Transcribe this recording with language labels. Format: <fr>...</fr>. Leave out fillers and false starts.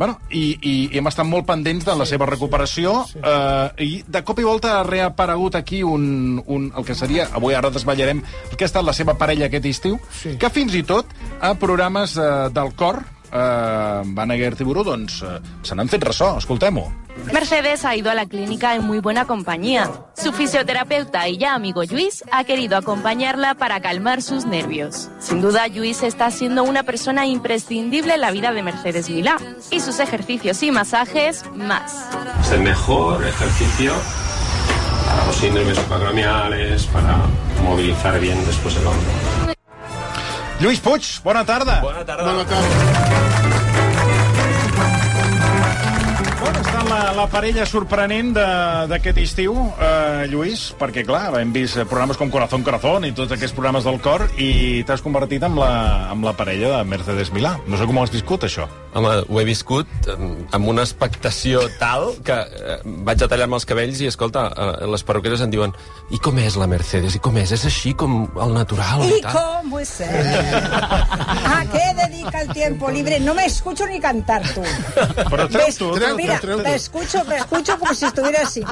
<ca>I hem estat molt pendents de la seva recuperació. I de cop i volta ha reaparegut aquí un el que seria, avui ara desvetllarem, el que ha estat la seva parella aquest estiu, que fins i tot a programes del cor, Van Aguert i Buru, doncs se n'han fet ressò, escoltem-ho.</ca> <es>Mercedes ha ido a la clínica en muy buena compañía. Su fisioterapeuta y ya amigo Luis ha querido acompañarla para calmar sus nervios. Sin duda, Luis está siendo una persona imprescindible en la vida de Mercedes Milá. Y sus ejercicios y masajes, más. Es el mejor ejercicio para los síndromes acromiales, para movilizar bien después el hombro.</es> <ca>Luis Puig, bona tarda. Bona tarda. Bona tarda. La parella sorprenent d'aquest estiu, Lluís, perquè, clar, hem vist programes com Corazón Corazón i tots aquests programes del cor, i t'has convertit en la parella de Mercedes Milá. No sé com ho has viscut, això. Home, ho he viscut amb una expectació tal que vaig a tallar-me els cabells i, escolta, les perruqueres em diuen: i com és la Mercedes? I com és? És així com el natural? I com ho és?</ca> <es>¿A qué dedica el tiempo libre? No me escucho ni cantar, tú.</es> <ca>Però treu-t'ho.</ca> <es>Mira, escucho como si estuviera así.</es>